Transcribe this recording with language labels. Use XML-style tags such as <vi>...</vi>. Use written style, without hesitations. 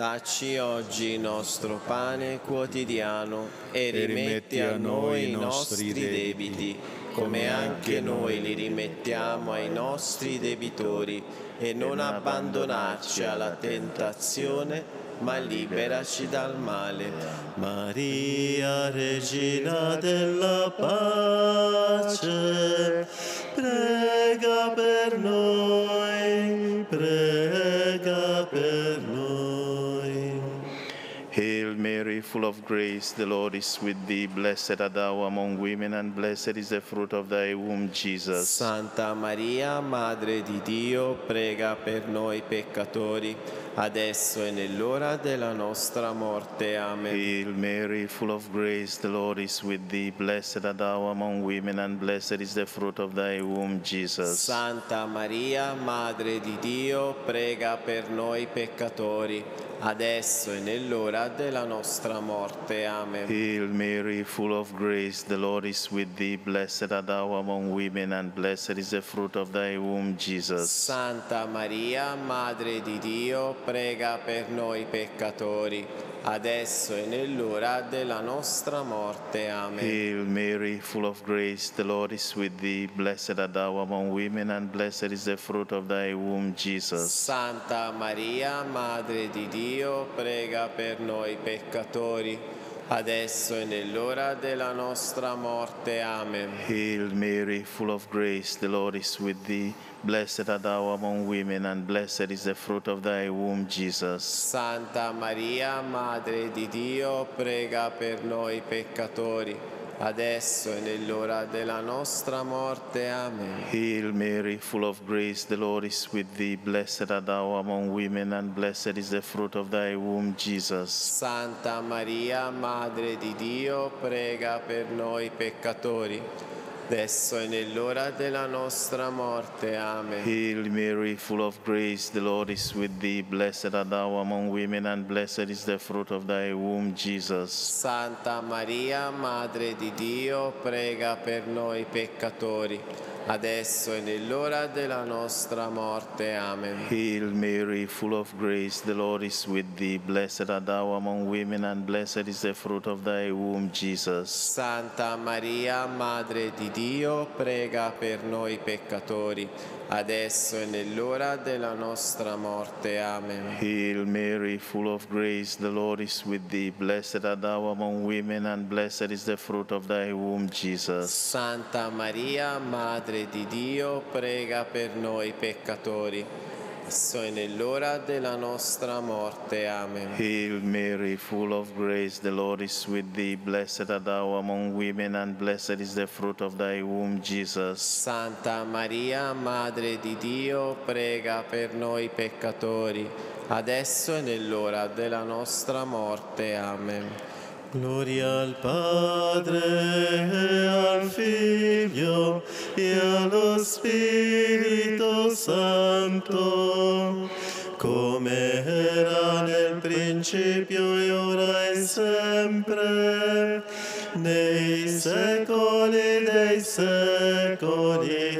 <it>Dacci oggi il nostro pane quotidiano e rimetti a noi i nostri debiti, come anche noi li rimettiamo ai nostri debitori, e non abbandonarci alla tentazione, ma liberaci dal male. Maria, Regina della pace, prega per noi, prega per noi.</it> <en>Hail Mary, full of grace, the Lord is with thee. Blessed art thou among women, and blessed is the fruit of thy womb, Jesus.</en> <it>Santa Maria, Madre di Dio, prega per noi peccatori, adesso è nell'ora della nostra morte. Amen.</it> <en>Hail Mary, full of grace, the Lord is with thee. Blessed art thou among women, and blessed is the fruit of thy womb, Jesus.</en> <it>Santa Maria, Madre di Dio, prega per noi peccatori, adesso è nell'ora della nostra morte. Amen.</it> <en>Hail Mary, full of grace, the Lord is with thee. Blessed art thou among women, and blessed is the fruit of thy womb, Jesus.</en> <it>Santa Maria, Madre di Dio, prega per noi peccatori, adesso e nell'ora della nostra morte. Amen.</it> <en>Hail Mary, full of grace, the Lord is with thee. Blessed art thou among women, and blessed is the fruit of thy womb, Jesus.</en> <it>Santa Maria, Madre di Dio, prega per noi peccatori, adesso è nell'ora della nostra morte. Amen.</it> <en>Hail Mary, full of grace, the Lord is with thee. Blessed art thou among women, and blessed is the fruit of thy womb, Jesus.</en> <it>Santa Maria, Madre di Dio, prega per noi peccatori, adesso è nell'ora della nostra morte. Amen.</it> <en>Hail Mary, full of grace, the Lord is with thee. Blessed art thou among women, and blessed is the fruit of thy womb, Jesus.</en> <it>Santa Maria, Madre di Dio, prega per noi peccatori, adesso è nell'ora della nostra morte. Amen.</it> <en>Hail Mary, full of grace, the Lord is with thee. Blessed art thou among women, and blessed is the fruit of thy womb, Jesus.</en> <it>Santa Maria, Madre di Dio, prega per noi peccatori, adesso e nell'ora della nostra morte. Amen.</it> <en>Hail Mary, full of grace, the Lord is with thee. Blessed art thou among women, and blessed is the fruit of thy womb, Jesus.</en> <it>Santa Maria, Madre di Dio, prega per noi peccatori, adesso e nell'ora della nostra morte. Amen.</it> <en>Hail Mary, full of grace, the Lord is with thee. Blessed art thou among women, and blessed is the fruit of thy womb, Jesus.</en> <it>Santa Maria, Madre di Dio, prega per noi peccatori, adesso e nell'ora della nostra morte. Amen.</it> <en>Hail Mary, full of grace, the Lord is with thee. Blessed art thou among women, and blessed is the fruit of thy womb, Jesus.</en> <it>Santa Maria, Madre di Dio, prega per noi peccatori, adesso e nell'ora della nostra morte. Amen. Gloria al Padre e al Figlio e allo Spirito Santo, come era nel principio e ora è sempre, nei secoli dei secoli.</it>